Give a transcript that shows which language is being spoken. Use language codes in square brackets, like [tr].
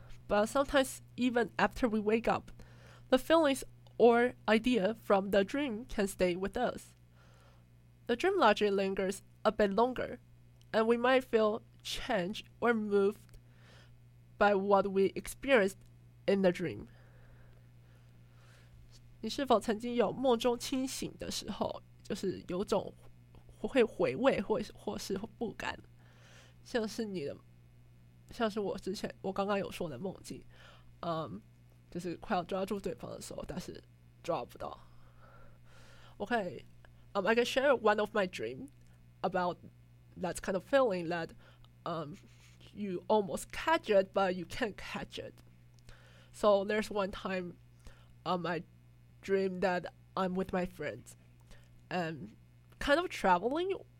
[en] But sometimes, even after we wake up, the feelings or idea from the dream can stay with us. The dream logic lingers a bit longer, and we might feel changed or moved by what we experienced in the dream. [zh] 你是否曾经有梦中清醒的时候，就是有种会回味或是不甘，像是你的，像是我之前我刚刚有说的梦境，就是快要抓住对方的时候，但是抓不到。 [en] OK。 I can share one of my dreams about that kind of feeling that you almost catch it, but you can't catch it. So there's one time I dreamed that I'm with my friends and kind of traveling.